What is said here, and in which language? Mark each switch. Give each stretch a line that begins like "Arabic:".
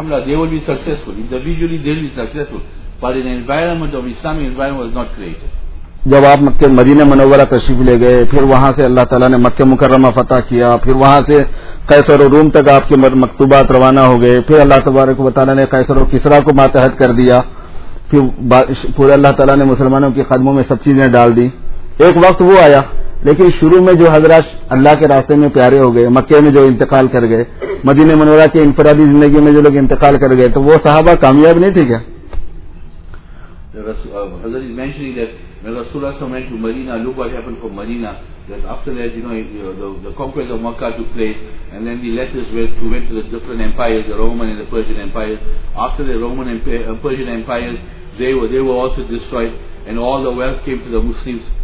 English: But an environment of Islamic environment was not created.
Urdu: جب آپ مکہ مدینہ منورہ تشریف لے گئے، پھر وہاں سے اللہ تعالیٰ نے مکہ مکرمہ فتح کیا، پھر وہاں سے قیصر و روم تک آپ کے مکتوبات روانہ ہو گئے، پھر اللہ تبارک و تعالیٰ نے قیصر و کسرا کو ماتحت کر دیا، پھر پورے اللہ تعالیٰ نے مسلمانوں کے قدموں میں سب چیزیں ڈال دی. ایک وقت وہ آیا، لیکن شروع میں جو حضرات اللہ کے راستے میں پیارے ہو گئے، مکہ میں جو انتقال کر گئے، مدینہ منورہ کے انفرادی زندگی میں جو لوگ انتقال کر گئے، تو وہ صحابہ کامیاب نہیں تھے کیا؟
English: Hazrat is mentioning that when Rasulullah SAW went to Medina, look what happened from Medina, that after that, the conquest of Makkah took place, and then the letters went to the different empires, the Roman and the Persian empires. After the Roman and Persian empires, they were also destroyed, and all the wealth came to the Muslims.